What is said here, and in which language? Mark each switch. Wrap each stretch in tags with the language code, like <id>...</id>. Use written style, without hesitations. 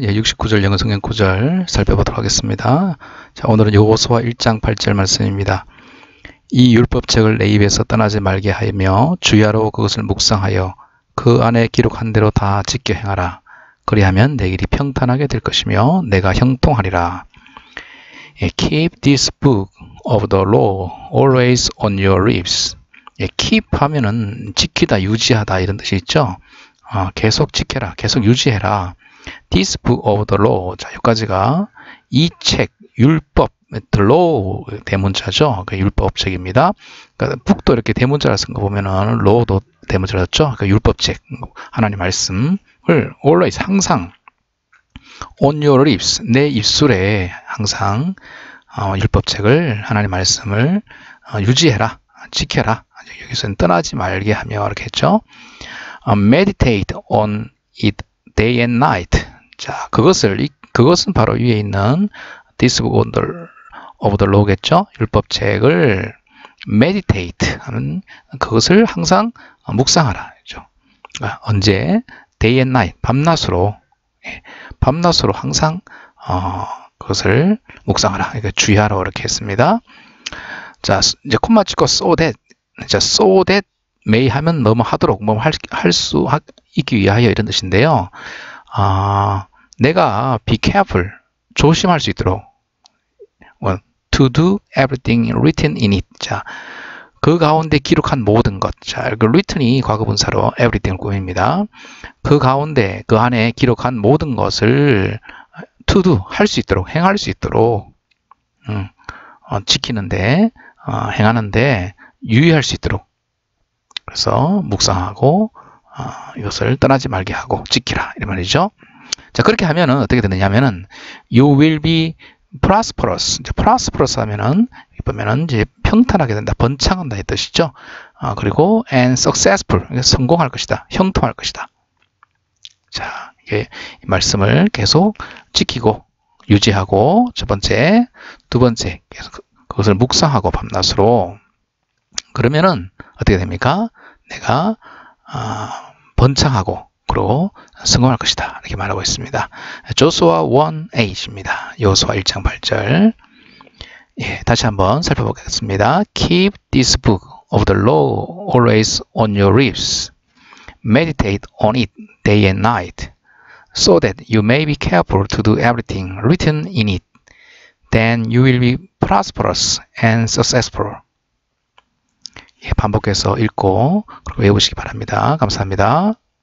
<ko>예, 69절 영어성경 구절 살펴보도록 하겠습니다. 자, 오늘은 여호수아 1장 8절 말씀입니다. 이 율법책을 내 입에서 떠나지 말게 하며 주야로 그것을 묵상하여 그 안에 기록한 대로 다 지켜 행하라. 그리하면 내 길이 평탄하게 될 것이며 내가 형통하리라.</ko> <en>예, keep this book of the law always on your lips.</en> <ko>예, keep 하면은 지키다, 유지하다 이런 뜻이 있죠. 아, 계속 지켜라, 계속 유지해라.</ko> <en>This book of the law.</en> <ko>자, 여기까지가 이 책, 율법,</ko> <en>the law,</en> <ko>대문자죠. 그 율법 책입니다. 그러니까 북도 이렇게 대문자를 쓴거 보면은, law도 대문자로 썼죠. 그 율법 책, 하나님 말씀을 always, 항상,</ko> <en>on your lips,</en> <ko>내 입술에 항상, 율법 책을, 하나님 말씀을 유지해라, 지켜라. 여기서는 떠나지 말게 하며, 이렇게 했죠.</ko> <en>Meditate on it day and night.</en> <ko>자, 그것은 바로 위에 있는</ko> <en>this book of the law</en> <ko>겠죠? 율법책을 meditate 하는 그것을 항상 묵상하라 그죠? 언제?</ko> <en>day and night</en> <ko>밤낮으로 밤낮으로 항상 그것을 묵상하라. 그러니까 주야로 이렇게 했습니다. 자, 이제 콤마 찍고 so that 자,</ko> <en>so that may</en> <ko>하면 너무 하도록 뭐할할수 있기 위하여 이런 뜻인데요. 내가</ko> <en>be careful,</en> <ko>조심할 수 있도록.</ko> <en>To do everything written in it.</en> <ko>자, 그 가운데 기록한 모든 것. 자, 그 written이 과거분사로 everything을 꾸밉니다. 그 가운데, 그 안에 기록한 모든 것을</ko> <en>to do,</en> <ko>할수 있도록, 행할 수 있도록, 지키는데, 행하는데 유의할 수 있도록. 그래서 묵상하고, 이것을 떠나지 말게 하고, 지키라. 이런 말이죠. 자, 그렇게 하면은 어떻게 되느냐면은</ko> <en>you will be prosperous.</en> <ko>이제 prosperous 하면은 보면은 이제 평탄하게 된다, 번창한다 이 뜻이죠. 그리고</ko> <en>and successful,</en> <ko>성공할 것이다, 형통할 것이다. 자, 이게 이 말씀을 계속 지키고 유지하고 첫 번째, 두 번째 계속 그것을 묵상하고 밤낮으로 그러면은 어떻게 됩니까? 내가 번창하고 그리고 성공할 것이다. 이렇게 말하고 있습니다. 여호수아 1:8입니다. 여호수아 1장 8절. 예, 다시 한번 살펴보겠습니다.</ko> <en>Keep this book of the law always on your lips. Meditate on it day and night, so that you may be careful to do everything written in it. Then you will be prosperous and successful.</en> <ko>예, 반복해서 읽고 그리고 외우시기 바랍니다. 감사합니다.</ko>